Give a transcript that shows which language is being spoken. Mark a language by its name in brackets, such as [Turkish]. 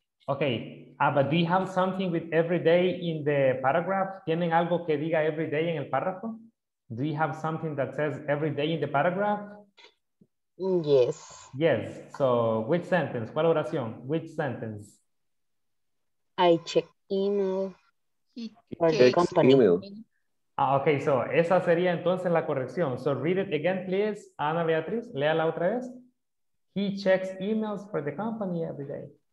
[English] Okay, but do you have something with every day in the paragraph? [Spanish] ¿Tienen algo que diga every day en el párrafo? [English] Do you have something that says every day in the paragraph? Yes. Yes, so which sentence? [Spanish] ¿Cuál oración? [English] Which sentence? I check email. Email. [Spanish] Ah, ok, so esa sería entonces la corrección. [English] So read it again, please, Ana Beatriz. [Spanish] Léala otra vez. [English] He checks emails for the company every day.